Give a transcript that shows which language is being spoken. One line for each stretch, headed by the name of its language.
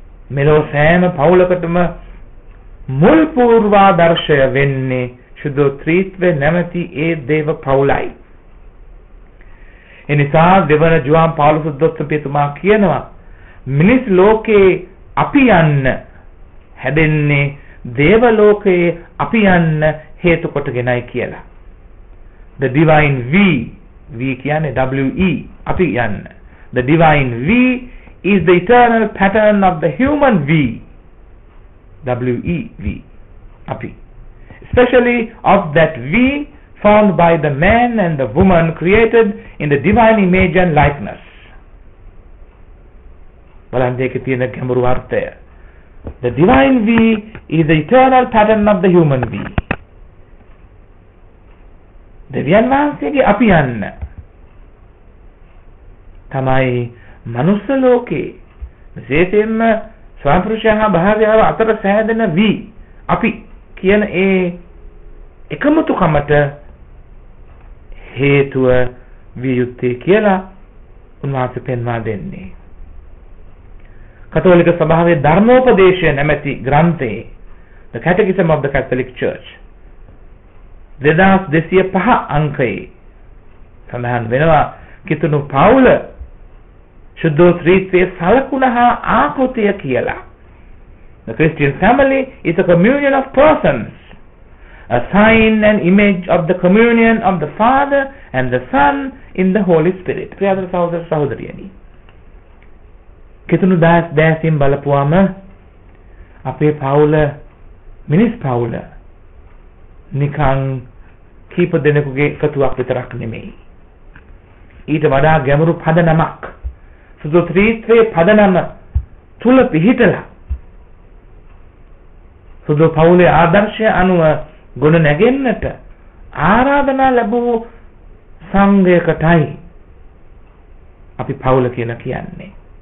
Sinhala: මෙලෝ සෑම පවුලකටම මුල් පූර්වාදර්ශය වෙන්නේ සුදුත්‍රිත්‍වේ නැමැති ඒ දේව පවුලයි. එනිසා දෙවන ජුවාන් පාවුල සුද්දොස්ස පියතුමා කියනවා, මිනිස් ලෝකේ අපි යන්න හැදෙන්නේ දේව ලෝකයේ අපි යන්න හේතු කොටගෙනයි කියලා.
English: The divine we
Sinhala: කියන්නේ
English: we
Sinhala: අපි යන්න.
English: The divine we is the eternal pattern of the human we. we
Sinhala: api
English: especially of that we formed by the man and the woman created in the divine image and likeness.
Sinhala: බලන්න දෙක තියෙන ගැඹුරු අර්ථය.
English: The divine we is the eternal pattern of the human we.
Sinhala: දෙවියන් වහන්සේගේ අපි යන්න තමයි මනුස්ස ලෝකේ විශේෂයෙන්ම ස්වාම පුරුෂයා හා භාර්යාව අතර සෑදෙන වි අපි කියන ඒ එකමුතුකමට හේතුව විය යුත්තේ කියලා උන්වහන්සේ පෙන්වා දෙන්නේ. කතෝලික සභාවේ ධර්මෝපදේශය නැමැති ග්‍රන්ථයේ The Catechism of the Catholic Church 2205 අංකයේ සඳහන් වෙනවා, කිතුනු පවුල සුද්ධෝත්‍රිත්වයේ සලකුණ හා ආකෘතිය කියලා.
English: The Christian family is a communion of persons, a sign and image of the communion of the Father and the Son in the Holy Spirit.
Sinhala: ප්‍රියතර සහෝදරයනි, කිතුනු දාස් දාසීන් බලපුවාම අපේ පවුල මිනිස් පවුල නිකං කීප දෙනෙකුගේ එකතුවක් විතරක් නෙමෙයි. ඊට වඩා ගැඹුරු පදනමක් සුදුත්‍රිත්වයේ පදනම තුල පිහිටලා සුදු පවුලේ ආදර්ශය අනුව ගොඩ නැගෙන්නට ආරාධනා ලැබූ සංඝයකටයි අපි පවුල කියලා කියන්නේ.